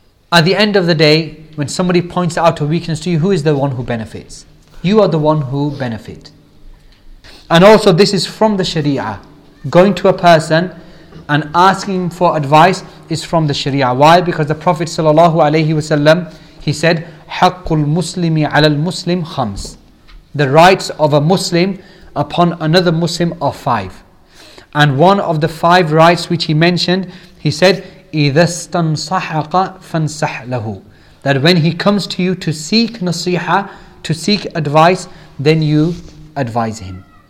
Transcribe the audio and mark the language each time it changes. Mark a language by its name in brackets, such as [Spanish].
[English] At the end of the day, when somebody points out a weakness to you, who is the one who benefits? You are the one who benefit. And also, this is from the Sharia. Going to a person and asking for advice is from the Sharia. Why? Because the Prophet ﷺ, he said, [Arabic] حَقُّ الْمُسْلِمِ عَلَى الْمُسْلِمِ خَمْسِ. [English] The rights of a Muslim upon another Muslim are five. And one of the five rights which he mentioned, he said, [Arabic] إِذَا اسْتَنْصَحَقَ فَانْصَحْ لَهُ. [English] That when he comes to you to seek nasiha, to seek advice, then you advise him.